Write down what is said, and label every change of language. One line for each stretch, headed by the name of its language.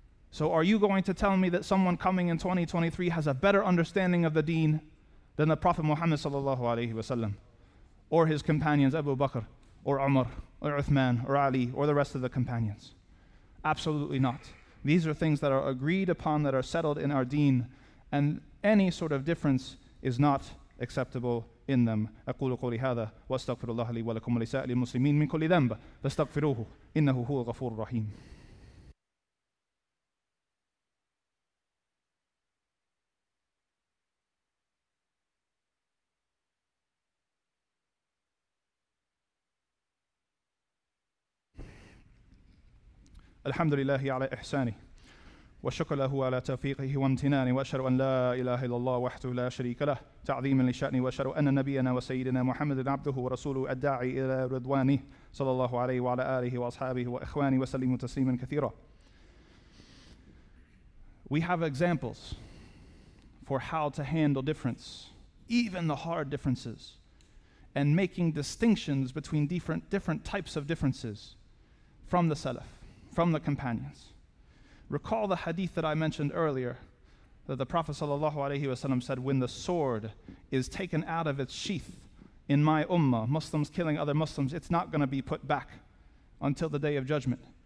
English: So are you going to tell me that someone coming in 2023 has a better understanding of the deen than the Prophet Muhammad sallallahu alayhi wasallam, or his companions Abu Bakr, or Umar, or Uthman, or Ali, or the rest of the companions? Absolutely not. These are things that are agreed upon, that are settled in our deen, and any sort of difference is not acceptable in them.
Arabic: أقول قولي هذا واستغفر الله لي ولكم ولسائر المسلمين من كل ذنب فاستغفروه إنه هو الغفور الرحيم. الحمد لله على إحساني وشكر له على توفيقه وامتناني وأشهد أن لا إله إلا الله وحده لا شريك له تعظيما لشأنه وأشهد أن نبينا وسيدنا محمد عبده ورسوله الداعي إلى رضوانه صلى الله عليه وعلى آله وأصحابه وإخوانه وسلم تسليما كثيرا.
English: We have examples for how to handle difference, even the hard differences, and making distinctions between different types of differences from the Salaf, from the companions. Recall the hadith that I mentioned earlier, that the Prophet sallallahu alaihi wasallam said, when the sword is taken out of its sheath in my ummah, Muslims killing other Muslims, it's not going to be put back until the day of judgment.